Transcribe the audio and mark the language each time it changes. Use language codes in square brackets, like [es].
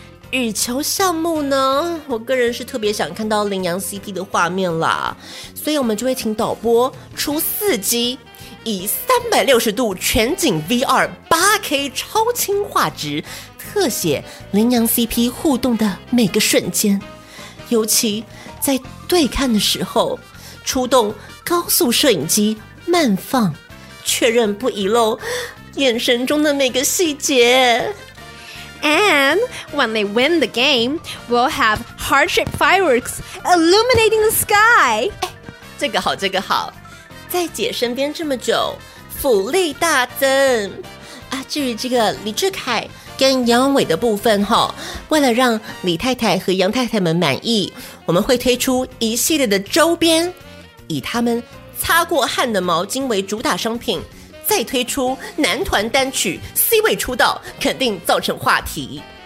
[zh] 羽球项目呢，我个人是特别想看到林阳 CP 的画面啦，所以我们就会请导播出四机，以360度全景 VR 8K 超清画质特写林阳 CP 互动的每个瞬间，尤其在对看的时候出动高速摄影机慢放，确认不遗漏眼神中的每个细节。 [en] And when they win the game, we'll have heart-shaped fireworks illuminating the sky. [zh] 哎，这个好，在姐身边这么久，福利大增啊。至于这个李志凯跟杨伟的部分哈，为了让李太太和杨太太们满意，我们会推出一系列的周边，以他们擦过汗的毛巾为主打商品，再推出男团单曲 C 位出道，肯定造成话题。